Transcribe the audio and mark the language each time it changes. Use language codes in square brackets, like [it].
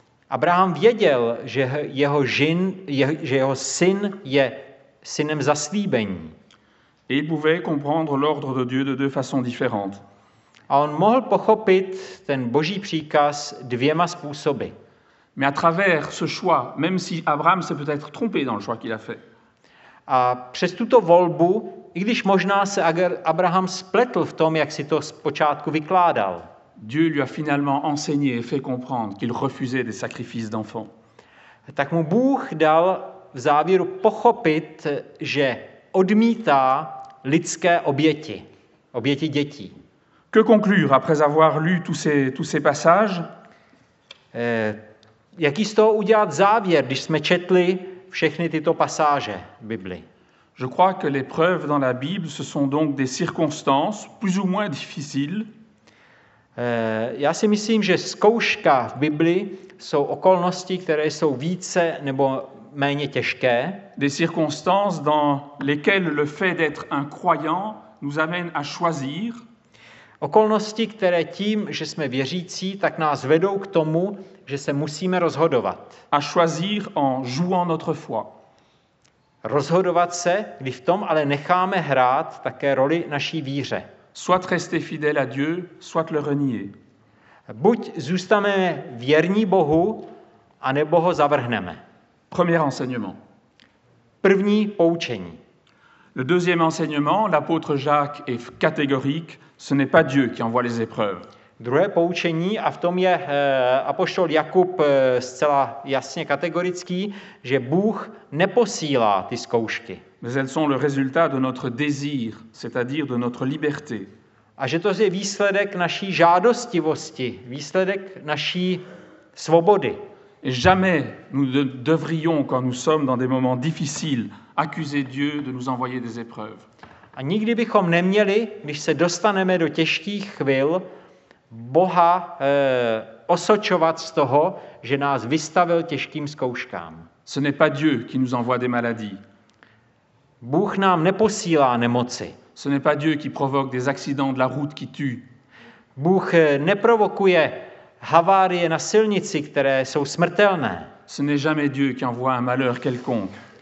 [cs] Abraham věděl, že jeho syn je synem zaslíbení. [fr] Et il pouvait comprendre l'ordre de Dieu de deux façons différentes. [cs] A on mohl pochopit ten boží příkaz dvěma způsoby. [fr] Mais à travers ce choix, même si Abraham s'est peut-être trompé dans le choix qu'il a fait. [cs] A přes tuto volbu, i když možná se Abraham spletl v tom, jak si to zpočátku vykládal. [fr] Dieu lui a finalement enseigné et fait comprendre qu'il refusait des sacrifices d'enfants. [cs] Tak mu Bůh dal v závěru pochopit, že odmítá lidské oběti, oběti dětí. [fr] Que conclure après avoir lu tous ces passages? [cs] Jaký z toho udělat závěr, když jsme četli všechny tyto pasáže Bibli? [fr] Je crois que les preuves dans la Bible, ce sont donc des circonstances plus ou moins difficiles. [cs] Já si myslím, že zkouška v Bibli jsou okolnosti, které jsou více nebo méně těžké. [fr] Des circonstances dans lesquelles le fait d'être un croyant nous amène à choisir. [cs] Okolnosti, které tím, že jsme věřící, tak nás vedou k tomu, že se musíme rozhodovat. [fr] À choisir en jouant notre foi. [cs] Rozhodovat se, když v tom ale necháme hrát také roli naší víře. [fr] Soit rester fidèle à Dieu, soit le renier. [cs] Buď zůstaneme věrní Bohu, anebo ho zavrhneme. [fr] Premier enseignement. [cs] První poučení. [fr] Le deuxième enseignement, l'apôtre Jacques est catégorique, ce n'est pas Dieu qui envoie les épreuves. [cs] Druhé poučení, a v tom je apoštol Jakub zcela jasně kategorický, že Bůh neposílá ty zkoušky. [fr] Mais elles sont le résultat de notre désir, c'est-à-dire de notre liberté. [cs] A že to je výsledek naší žádostivosti, výsledek naší svobody. [fr] Jamais nous ne devrions, quand nous sommes dans des moments difficiles, accuser Dieu de nous envoyer des épreuves. [cs] A nikdy bychom neměli, když se dostaneme do těžkých chvil, Boha osočovat z toho, že nás vystavil těžkým zkouškám. [fr] Ce n'est pas Dieu qui nous envoie des maladies. [cs] Bůh nám neposílá nemoci. [fr] Ce n'est pas Dieu qui provoque des accidents de la route qui tue. [cs] Bůh neprovokuje havárie na silnici, které jsou smrtelné. [fr] Ce n'est jamais Dieu qui envoie un malheur quelconque.